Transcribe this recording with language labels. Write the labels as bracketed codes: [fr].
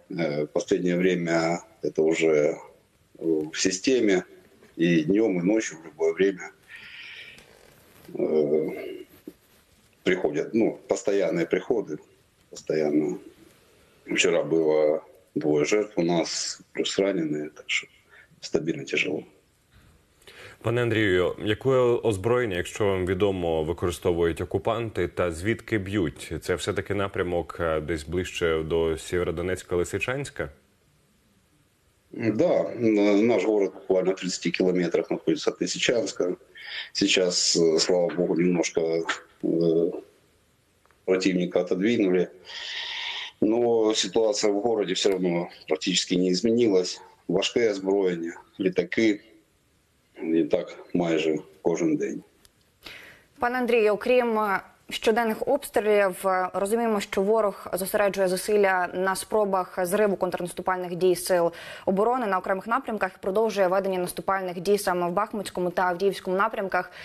[ru] В последнее время это уже в системе и днем, и ночью, в любое время приходят, ну, постоянные приходы, постоянно. Вчера было двое жертв у нас, плюс раненые, так что стабильно тяжело. [uk] Пане Андрію, яке озброєння, якщо вам відомо, використовують окупанти, та звідки б'ють? Це все-таки напрямок десь ближче до Сєвєродонецька, Лисичанська? [ru] Да, наш город буквально [uk] в 30 кілометрах знаходиться від Лисичанська. [ru] Зараз, слава Богу, немножко противника отодвинули. Но [uk] ситуація в городі все одно практично не змінилась. Важке озброєння, літаки. І так майже кожен день. Пане Андрію, окрім щоденних обстрілів, розуміємо, що ворог зосереджує зусилля на спробах зриву контрнаступальних дій сил оборони на окремих напрямках, продовжує ведення наступальних дій саме в Бахмутському та Авдіївському напрямках.